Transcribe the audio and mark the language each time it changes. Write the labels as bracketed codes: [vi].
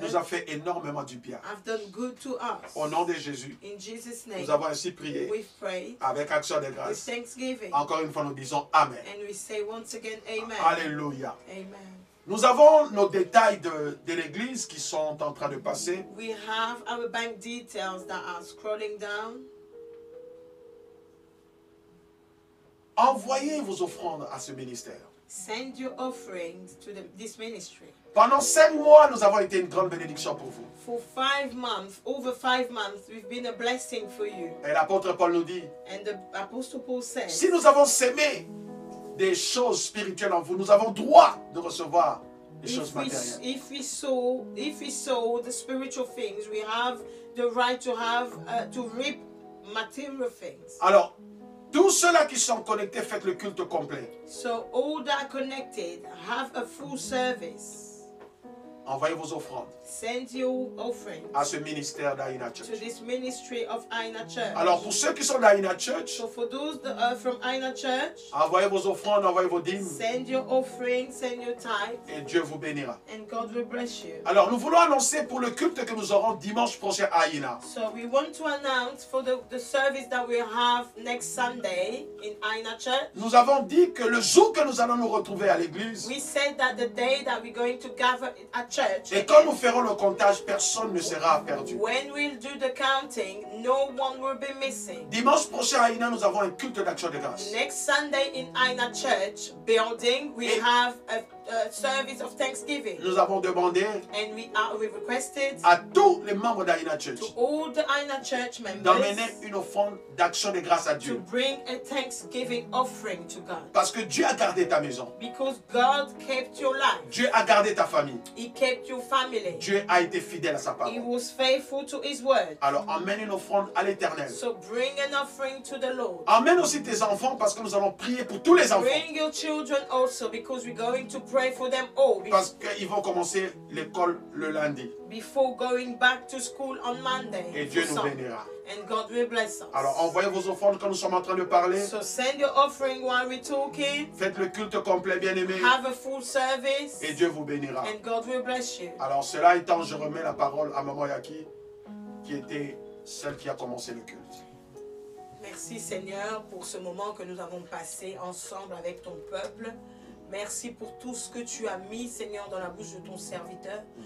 [fr] nous a fait énormément du bien. [en] Have done good to us. [fr] Au nom de Jésus, [en] in Jesus name, [fr] nous avons ainsi prié, [en] we've prayed, [fr] avec action de grâce, [en] with thanksgiving. [fr] Encore une fois, nous disons amen. [en] And we say once again, amen. [fr] Alléluia. [en] Amen. [fr] Nous avons nos détails de l'église qui sont en train de passer. [en] We have our bank details that are scrolling down. [fr] Envoyez vos offrandes à ce ministère. [en] Send your offerings to the, this ministry. [fr] Pendant 5 mois, nous avons été une grande bénédiction pour vous. [en] For 5 months, over 5 months, we've been a blessing for you. [fr] Et l'apôtre Paul nous dit, [en] and the apostle Paul says, [fr] si nous avons semé des choses spirituelles en vous, nous avons droit de recevoir des choses matérielles. [en] If we sow the spiritual things, we have the right to have to reap material things. [fr] Alors, tous ceux-là qui sont connectés, faites le culte complet. [en] So all that are connected, have a full service. [fr] Envoyez vos offrandes. [en] Send your offerings. [fr] À ce ministère d'Aina Church. [en] To this ministry of Aina Church. [fr] Alors pour ceux qui sont d'Aina Church. [en] So for those that are from Aina Church. [fr] Envoyez vos offrandes, envoyez vos dîmes. [en] Send your offerings, send your tithes. [fr] Et Dieu vous bénira. [en] And God will bless you. [fr] Alors nous voulons annoncer pour le culte que nous aurons dimanche prochain à Aina. [en] So we want to announce for the service that we have next Sunday in Aina Church. [fr] Nous avons dit que le jour que nous allons nous retrouver à l'église. [en] We said that the day that we're going to gather at church. [fr] Et quand nous ferons le comptage, personne ne sera perdu. [en] When we'll do the counting, no one will be missing. [fr] Dimanche prochain à Aina, nous avons un culte d'action de grâce. [en] Next Sunday in Aina Church building, we have a service of thanksgiving. [fr] Nous avons demandé, [en] and we requested, [fr] à tous les membres d'Aina Church, [en] to all the Aina Church members, [fr] d'amener une offrande d'action de grâce à Dieu. [en] To bring a thanksgiving offering to God. [fr] Parce que Dieu a gardé ta maison. [en] Because God kept your life. [fr] Dieu a gardé ta famille. [en] He kept your family. [fr] Dieu a été fidèle à sa parole. [en] He was faithful to his word. [fr] Alors amène une offrande à l'Éternel. [en] So bring an offering to the Lord. [fr] Amène aussi tes enfants parce que nous allons prier pour tous les enfants. [en] Bring your children also because we're going to pray for them all. [fr] Parce qu'ils vont commencer l'école le lundi. [en] Before going back to school on Monday. [fr] Et Dieu nous bénira. [en] And God will bless us. [fr] Alors envoyez vos offrandes quand nous sommes en train de parler. [en] So send your offering while we're talking. [fr] Faites le culte complet, bien-aimé. [en] Have a full service. [fr] Et Dieu vous bénira. [en] And God will bless you. [fr] Alors cela étant, je remets la parole à Maman Yaki, qui était celle qui a commencé le culte. Merci Seigneur pour ce moment que nous avons passé ensemble avec ton peuple. Merci pour tout ce que tu as mis, Seigneur, dans la bouche de ton serviteur.